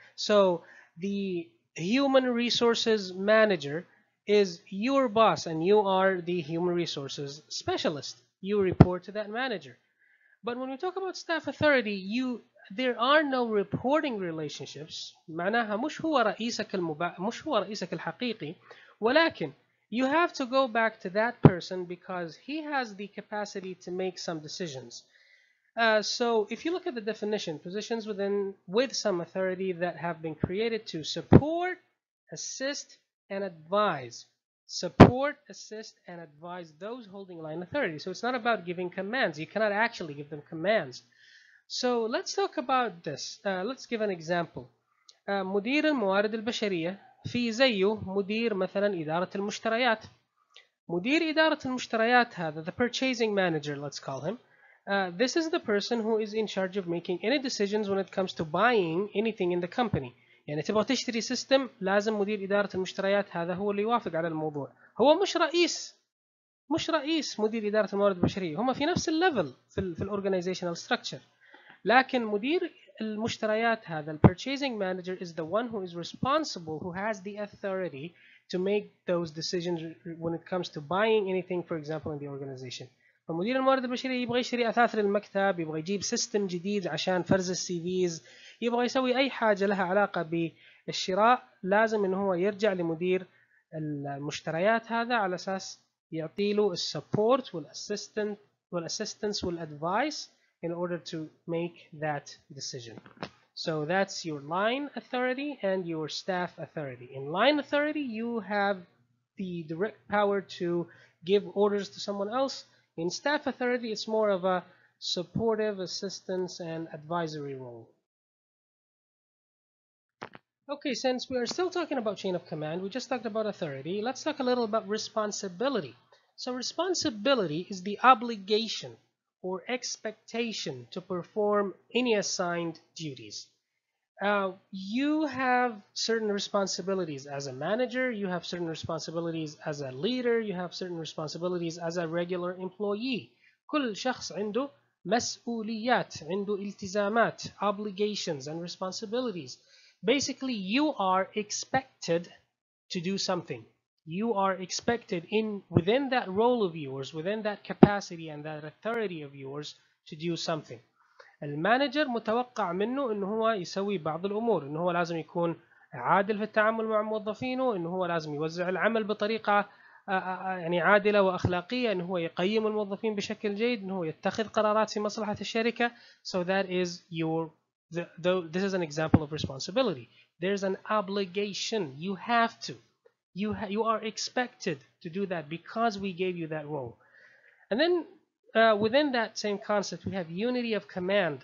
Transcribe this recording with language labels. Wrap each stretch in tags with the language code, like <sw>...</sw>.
<en>So the human resources manager is your boss and you are the human resources specialist. You report to that manager. But when we talk about staff authority, there are no reporting relationships.</en> <ar>معناها مش هو رئيسك مش هو رئيسك الحقيقي. ولكن</ar> <en>you have to go back to that person because he has the capacity to make some decisions. So if you look at the definition, positions with some authority that have been created to support, assist, and advise. Support, assist, and advise those holding line authority. So it's not about giving commands. You cannot actually give them commands. So let's talk about this. Let's give an example.</en> <ar>مدير الموارد البشرية في زيه مدير مثلا إدارة المشتريات. مدير إدارة المشتريات هذا,</ar> <en>the purchasing manager, let's call him. This is the person who is in charge of making any decisions when it comes to buying anything in the company.</en> <ar>يعني تبغى تشتري سيستم لازم مدير إدارة المشتريات هذا هو اللي يوافق على الموضوع. هو مش رئيس مش رئيس مدير إدارة الموارد البشرية، هما في نفس الليفل في الـ</ar> <en>organizational structure،</en> <ar>لكن مدير المشتريات هذا الـ</ar> <en>purchasing manager is the one who is responsible, who has the authority to make those decisions when it comes to buying anything, for example, in the organization.</en> <ar>فمدير الموارد البشرية يبغى يشتري أثاث للمكتب، يبغى يجيب سيستم جديد عشان فرز CVs، يبغى يسوي أي حاجة لها علاقة بالشراء، لازم إن هو يرجع لمدير المشتريات هذا على أساس يعطي له السبورت والاسيستنس والادفايس</ar> <en>in order to make that decision. So that's your line authority and your staff authority. In line authority, you have the direct power to give orders to someone else. In staff authority, it's more of a supportive assistance and advisory role. Okay, since we are still talking about chain of command, we just talked about authority, let's talk a little about responsibility. So responsibility is the obligation or expectation to perform any assigned duties. You have certain responsibilities as a manager, you have certain responsibilities as a leader, you have certain responsibilities as a regular employee.</en> <ar>كل شخص عنده مسؤوليات، عنده التزامات,</ar> <en>obligations and responsibilities. Basically, you are expected to do something. You are expected in within that role of yours, within that capacity and that authority of yours to do something.</en> <ar>المانجر متوقع منه إن هو يسوي بعض الأمور، إن هو لازم يكون عادل في التعامل مع موظفينه، إن هو لازم يوزع العمل بطريقة يعني عادلة وأخلاقية، إن هو يقيم الموظفين بشكل جيد، إن هو يتخذ قرارات في مصلحة الشركة.</ar> <en>So that is your this is an example of responsibility. There's an obligation. You have to. You are expected to do that because we gave you that role. And then within that same concept, we have unity of command.</en>